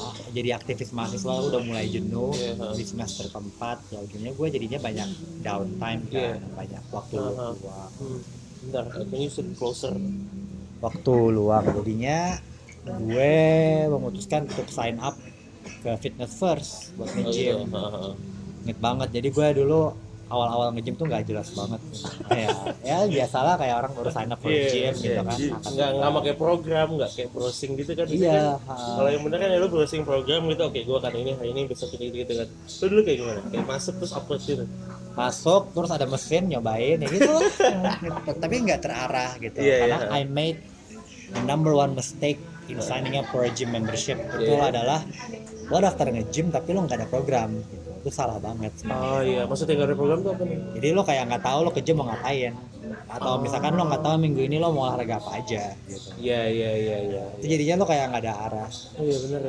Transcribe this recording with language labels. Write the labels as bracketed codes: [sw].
[id] Jadi aktivis mahasiswa udah mulai jenuh di semester keempat, ya akhirnya gue jadinya banyak downtime kan, banyak waktu luang. [en] Bentar, can you sit closer? [id] Waktu luang, jadinya gue memutuskan untuk sign up ke Fitness First buat nge-gym. Inget banget, jadi gue dulu awal-awal nge-gym tuh gak jelas banget. Ya biasalah kayak orang baru sign up for gym gitu kan. Gak pake program, gak kayak browsing gitu kan. Iya. Kalau yang bener kan ya lu browsing program gitu, oke gue akan ini, hari ini, besok ini gitu kan. Itu dulu kayak gimana? Kayak masuk terus upload gitu. Masuk terus ada mesin nyobain ya gitu. Tapi gak terarah gitu. [en] Karena I made the number one mistake in signing up for a gym membership. [id] Itu adalah lo daftar nge-gym tapi lo gak ada program. Itu salah banget. Maksudnya enggak ada program tuh apa nih? Jadi lo kayak enggak tahu lo ke gym mau ngapain. Atau misalkan lo enggak tahu minggu ini lo mau olahraga apa aja gitu. Iya. Jadinya lo kayak enggak ada arah. Iya benar.